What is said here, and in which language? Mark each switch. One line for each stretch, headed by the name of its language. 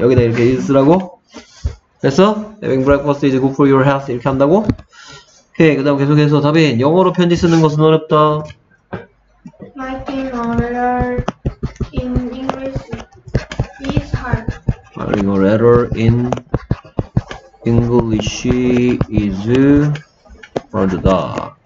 Korean: 여기다 이렇게 is라고 됐어?
English: having breakfast is good for your health
Korean: 이렇게 한다고? 오케이, 그 다음 계속해서 다빈, 영어로 편지 쓰는 것은 어렵다.
English: Writing a letter in English is hard. Writing a letter in English is hard다.